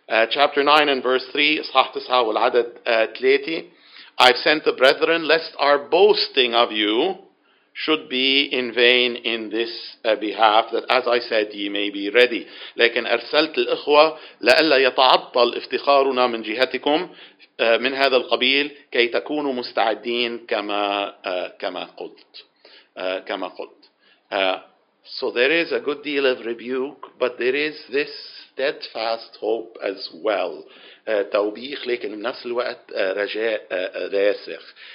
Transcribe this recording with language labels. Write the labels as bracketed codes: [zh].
[en] Chapter 9 and verse 3, [ar] إصحاح 9 والعدد 3, [en] I've sent the brethren, lest our boasting of you should be in vain in this behalf, that as I said, ye may be ready. [ar] لكن أرسلت الإخوة لألا يتعطل افتخارنا من جهتكم من هذا القبيل كي تكونوا مستعدين كما كما قلت. [en] So there is a good deal of rebuke, but there is this steadfast hope as well. [ar] توبيخ لكن بنفس الوقت رجاء راسخ.